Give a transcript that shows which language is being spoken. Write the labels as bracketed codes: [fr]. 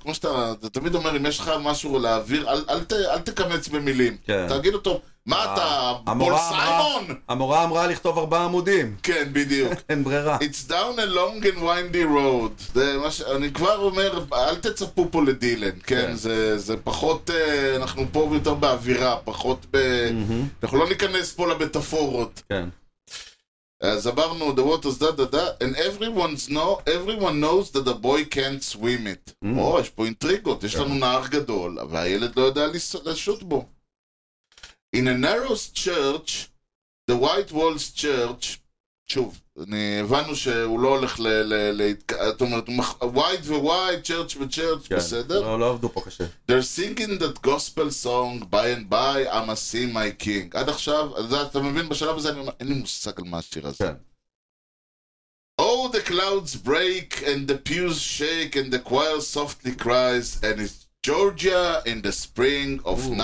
[he] כמו שאתה, אתה תמיד אומר, אם יש לך משהו להעביר, אל תקמץ במילים. תגיד אותו, מה אתה, בול סיימון? המורה אמרה לכתוב ארבעה עמודים. כן, בדיוק. אין ברירה. [en] It's down a long and windy road. [he] אני כבר אומר, אל תצפו פה לדילן, כן? זה פחות, אנחנו פה יותר באווירה, פחות ב... אנחנו לא ניכנס פה למטאפורות. כן. אז אמרנו, [en] the water's da-da-da, and everyone knows that the boy can't swim it. [he] יש פה אינטריגות, יש לנו נער גדול, אבל הילד לא יודע לשוט בו. [en] In a narrow church, the white walls church, [he] שוב, הבנו שהוא לא הולך זאת אומרת, [en] white ו-white, church ו-church, [he] כן, בסדר? לא עבדו פה קשה. [en] They're singing that gospel song, by and by, I'm a see my king. [he] עד עכשיו, אתה מבין, בשלב הזה, אין לי מושג על מה השיר הזה. כן. [en] Oh, the clouds break, and the pews shake, and the choir softly cries, and it's Georgia in the spring of